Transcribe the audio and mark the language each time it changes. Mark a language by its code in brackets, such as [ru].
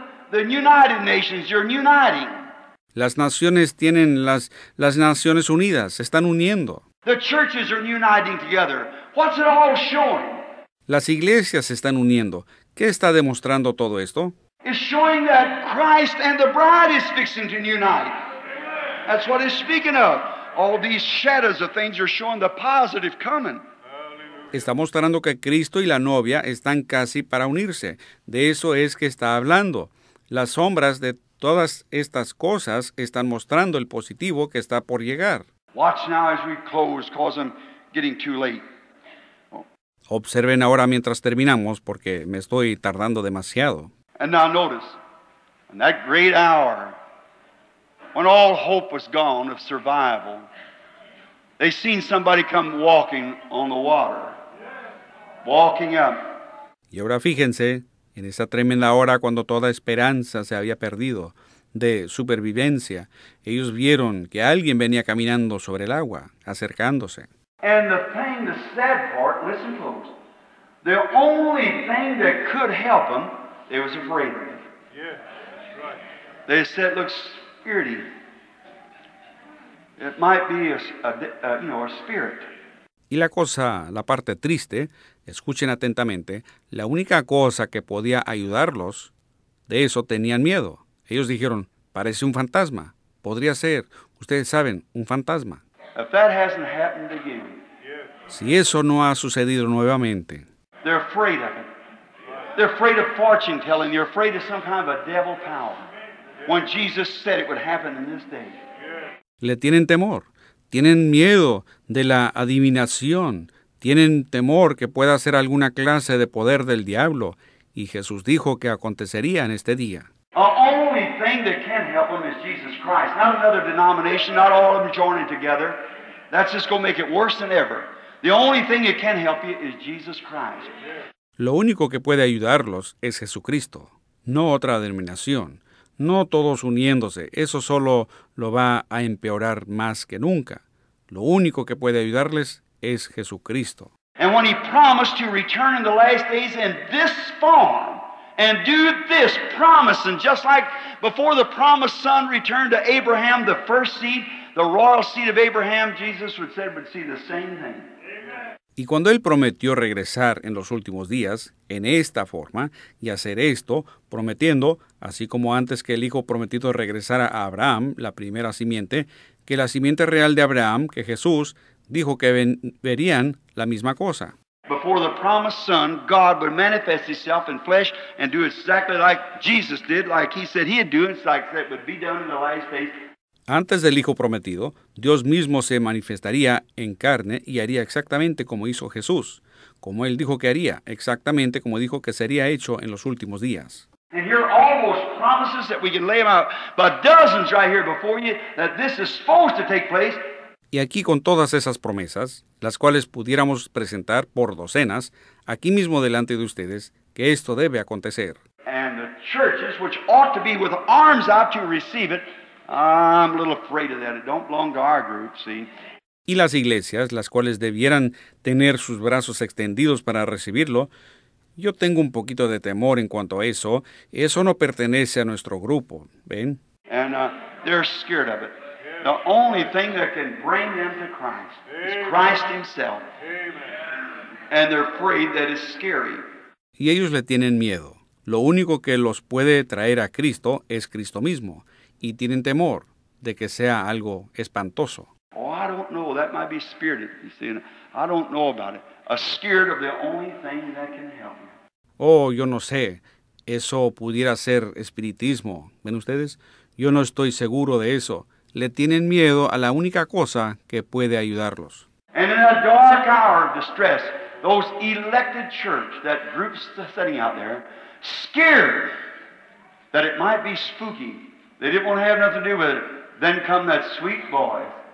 [en] The United Nations, you're uniting. [es] Las naciones tienen las Naciones Unidas, están uniendo. [en] The churches are uniting together. What's it all showing? [es] Las iglesias están uniendo. ¿Qué está demostrando todo esto? [en] It's showing that Christ and the bride is fixing to unite. That's what it's speaking of. All these shadows of things are showing the positive coming. [es] Está mostrando que Cristo y la novia están casi para unirse. De eso es que está hablando. Las sombras de todas estas cosas están mostrando el positivo que está por llegar. [en] Watch now as we close, 'cause I'm getting too late. [es] Observen ahora mientras terminamos porque me estoy tardando demasiado. [en] And now notice, in that great hour, when all hope was gone of survival, they seen somebody come walking on the water, walking up. [es] Y ahora fíjense, en esa tremenda hora cuando toda esperanza se había perdido de supervivencia, ellos vieron que alguien venía caminando sobre el agua, acercándose. [en] And the thing, the sad part, listen folks, the only thing that could help them, they was afraid of it. Yeah, that's right. They said, it looks spirity. It might be a spirit. [es] Y la cosa, la parte triste, escuchen atentamente, la única cosa que podía ayudarlos, de eso tenían miedo. Ellos dijeron, parece un fantasma, podría ser, ustedes saben, un fantasma. [en] If that hasn't happened again, [es] si eso no ha sucedido nuevamente, [en] they're afraid of it. They're afraid of fortune telling, they're afraid of some kind of a devil power. When Jesus said it would happen in this day. [es] Le tienen temor. Tienen miedo de la adivinación. Tienen temor que pueda ser alguna clase de poder del diablo. Y Jesús dijo que acontecería en este día. [en] The only thing that can help them is Jesus Christ. Not another denomination, not all of them joining together. That's just going to make it worse than ever. The only thing that can help you is Jesus Christ. [es] Lo único que puede ayudarlos es Jesucristo. No otra denominación. No todos uniéndose, eso solo lo va a empeorar más que nunca. Lo único que puede ayudarles es Jesucristo. [en] And when he promised to return in the last days in this form and do this promising, just like before the promised son returned to Abraham, the first seed, the royal seed of Abraham, Jesus would say would see the same thing. [es] Y cuando él prometió regresar en los últimos días, en esta forma, y hacer esto, prometiendo, así como antes que el hijo prometido regresara a Abraham, la primera simiente, que la simiente real de Abraham, que Jesús, dijo que verían la misma cosa. [en] Before the promised son, God would manifest himself in flesh and do exactly like Jesus did, like he said he'd do, it's like that would be done in the last days. [es] Antes del Hijo Prometido, Dios mismo se manifestaría en carne y haría exactamente como hizo Jesús, como Él dijo que haría, exactamente como dijo que sería hecho en los últimos días. [en] And here are all those promises that we can lay out by dozens right here before you that this is supposed to take place. [es] Y aquí con todas esas promesas, las cuales pudiéramos presentar por docenas, aquí mismo delante de ustedes, que esto debe acontecer. [en] And the churches which ought to be with arms out to receive it. I'm a little afraid of that. It don't belong to our group, see. [es] Y las iglesias, las cuales debieran tener sus brazos extendidos para recibirlo, yo tengo un poquito de temor en cuanto a eso. Eso no pertenece a nuestro grupo, ¿ven? [en] And they're scared of it. The only thing that can bring them to Christ is Christ himself. And they're afraid that it's scary. [es] Y ellos le tienen miedo. Lo único que los puede traer a Cristo es Cristo mismo. Y tienen temor de que sea algo espantoso. [en] Oh, I don't know. That might be spirited, you see. I don't know about it. A scared of the only thing that can help you. [es] Oh, yo no sé. Eso pudiera ser espiritismo. ¿Ven ustedes? Yo no estoy seguro de eso. Le tienen miedo a la única cosa que puede ayudarlos. [en] And in a dark hour of distress, those elected church, that group's sitting out there, scared that it might be spooky. They didn't want to have nothing to do with it. Then come that sweet voice.